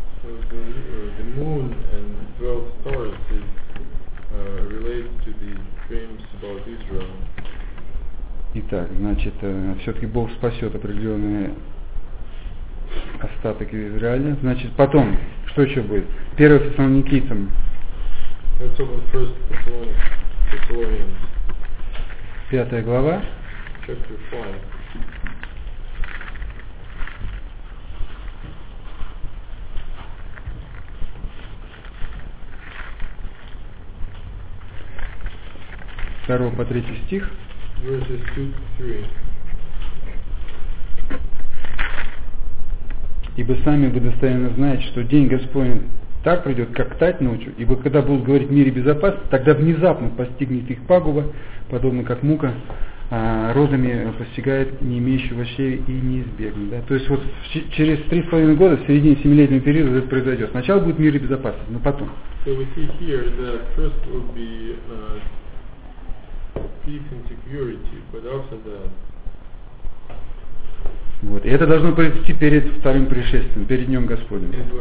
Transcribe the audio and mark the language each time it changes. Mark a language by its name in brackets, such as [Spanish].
[English] The moon and 12 stars is related to the dreams about Israel. [Russian] Итак, значит, все-таки Бог спасет определенные остаток Израиля. Значит, потом, что еще будет? Первый Фессалоникийцам. [English] Let's open first Thessalonians. [Russian] Пятая глава. [English] Chapter 5. [Russian] Второй по третий стих. [English] Verses 2-3. [Russian] Ибо сами вы достойно знаете, что день Господень так придет, как тать ночью, ибо когда будут говорить о мире безопасности, тогда внезапно постигнет их пагуба, подобно как мука родами постигает не имеющего чрева и не избегнет. Да? То есть вот через 3,5 года, в середине 7-летнего периода это произойдет. Сначала будет мир и безопасность, но потом. [English] So we see here that first will be peace and security, but after that. [Russian] Вот. И это должно произойти перед вторым пришествием, перед Днем Господним.